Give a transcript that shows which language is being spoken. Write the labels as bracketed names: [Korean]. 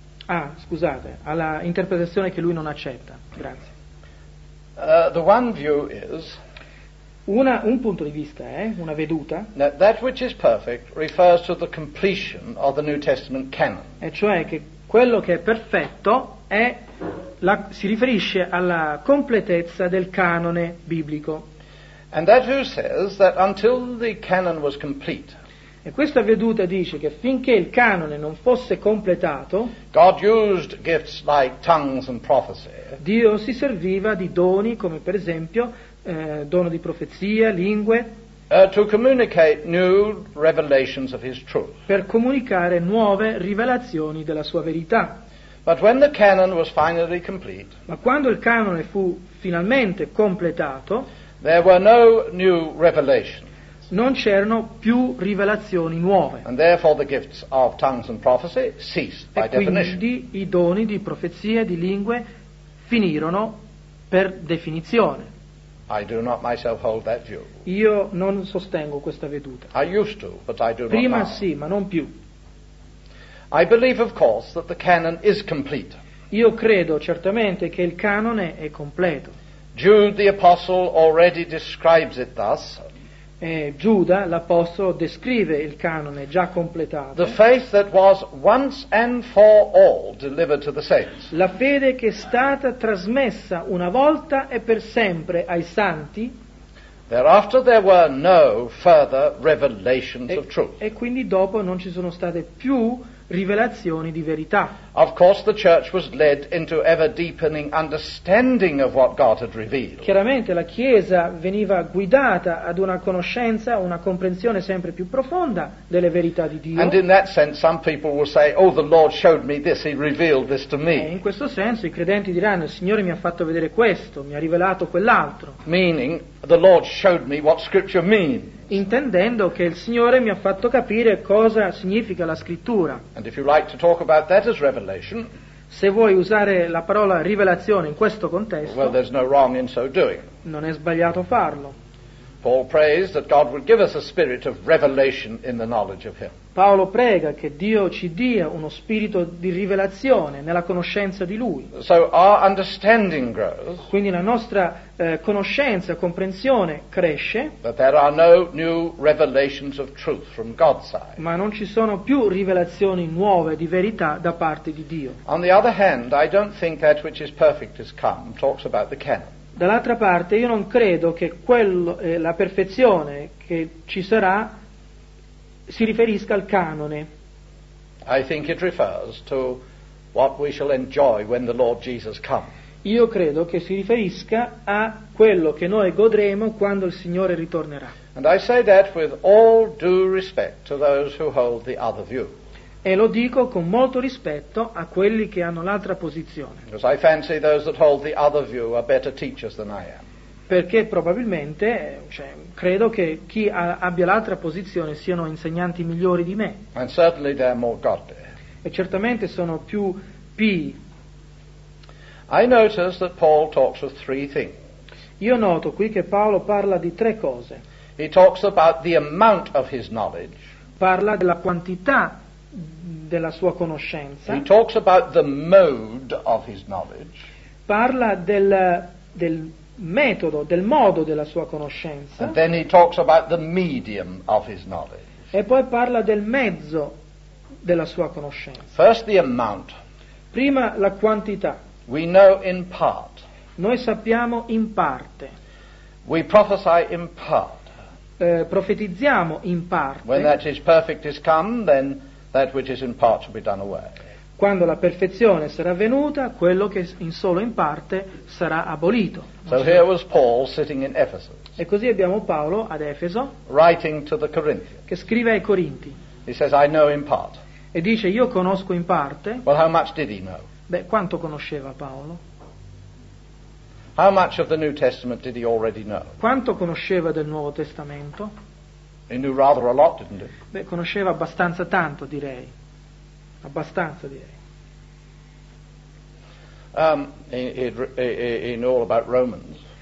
[Italian] Ah, scusate, alla interpretazione che lui non accetta. Grazie. [English] The one view is [Italian] un punto di vista è una veduta. [English] That which is perfect refers to the completion of the New Testament canon. [Italian] E cioè che quello che è perfetto è si riferisce alla completezza del canone biblico. [English] And that view says that until the canon was complete. [Italian] E questa veduta dice che finché il canone non fosse completato, [English] God used gifts like tongues and prophecy. [Italian] Dio si serviva di doni come per esempio dono di profezia, lingue, [English] To communicate new revelations of his truth. [Italian] Per comunicare nuove rivelazioni della sua verità. [English] But when the canon was finally complete, [Italian] ma quando il canone fu finalmente completato, [English] there were no new revelations. [Italian] Non c'erano più rivelazioni nuove. [English] And therefore the gifts of tongues and prophecy ceased by definition. [Italian] E quindi i doni di profezia e di lingue finirono per definizione. [English] I do not myself hold that view. [Italian] Io non sostengo questa veduta. [English] I used to, but I do not. [Italian] Prima [English] now. [Italian] Sì, ma non più. [English] I believe of course that the canon is complete. [Italian] Io credo certamente che il canone è completo. [English] Jude the apostle already describes it thus. [Italian] E Giuda l'apostolo descrive il canone già completato. [English] The faith that was once and for all delivered to the saints. [Italian] La fede che è stata trasmessa una volta e per sempre ai santi. [English] Thereafter there were no further revelations of truth. [Italian] E quindi dopo non ci sono state più rivelazioni di verità. [English] Of course the church was led into ever deepening understanding of what God had revealed. [Italian] Chiaramente la Chiesa veniva guidata ad una conoscenza, una comprensione sempre più profonda delle verità di Dio. [English] And in that sense some people will say, oh, the Lord showed me this, he revealed this to me. [Italian] E in questo senso i credenti diranno: il Signore mi ha fatto vedere questo, mi ha rivelato quell'altro. [English] Meaning the Lord showed me what scripture means. [Italian] Intendendo che il Signore mi ha fatto capire cosa significa la scrittura. [English] And if you like to talk about that as revelation, [Italian] Se vuoi usare la parola rivelazione in questo contesto, [English] well, there's no wrong in so doing. [Italian] Non è sbagliato farlo. [English] Paul prays that God would give us a spirit of revelation in the knowledge of Him. [Italian] Paolo prega che Dio ci dia uno spirito di rivelazione nella conoscenza di Lui. [English] So our understanding grows. [Italian] Quindi la nostra conoscenza, comprensione cresce. [English] But there are no new revelations of truth from God's side. [Italian] Ma non ci sono più rivelazioni nuove di verità da parte di Dio. [English] On the other hand, I don't think that which is perfect is come. Talks about the canon. [Italian] Dall'altra parte, io non credo che quello, la perfezione che ci sarà si riferisca al canone. [English] I think it refers to what we shall enjoy when the Lord Jesus comes. [Italian] Io credo che si riferisca a quello che noi godremo quando il Signore ritornerà. [English] And I say that with all due respect to those who hold the other view. [Italian] E lo dico con molto rispetto a quelli che hanno l'altra posizione. [English] Because I fancy those that hold the other view are better teachers than I am. [Italian] Perché probabilmente, cioè, credo che chi abbia l'altra posizione siano insegnanti migliori di me. [English] And certainly they are more godly. [Italian] E certamente sono più pii. [English] I notice that Paul talks of three things. [Italian] Io noto qui che Paolo parla di tre cose. [English] He talks about the amount of his knowledge. [Italian] Parla della quantità della sua conoscenza. [English] He talks about the mode of his knowledge. [Italian] Parla del metodo, del modo della sua conoscenza. [English] And then he talks about the medium of his knowledge. [Italian] E poi parla del mezzo della sua conoscenza. [English] First the amount. [Italian] Prima la quantità. [English] We know in part. [Italian] Noi sappiamo in parte. [English] We prophesy in part. [Italian] Profetizziamo in parte. [English] When that is perfect is come, then that which is in part shall be done away. [Italian] Quando la perfezione sarà venuta, quello che in solo in parte sarà abolito. [English] So here was Paul sitting in Ephesus. [Italian] E così abbiamo Paolo ad Efeso. [English] Writing to the Corinthians. [Italian] Che scrive ai Corinti. [English] He says, I know in part. [Italian] E dice, io conosco in parte. [English] Well, how much did he know? [Italian] Beh, quanto conosceva Paolo? [English] How much of the New Testament did he already know? [Italian] Quanto conosceva del Nuovo Testamento? [English] He knew rather a lot, didn't he? [Italian] Beh, conosceva abbastanza tanto, direi. Abbastanza, direi. [English] He knew all about Romans.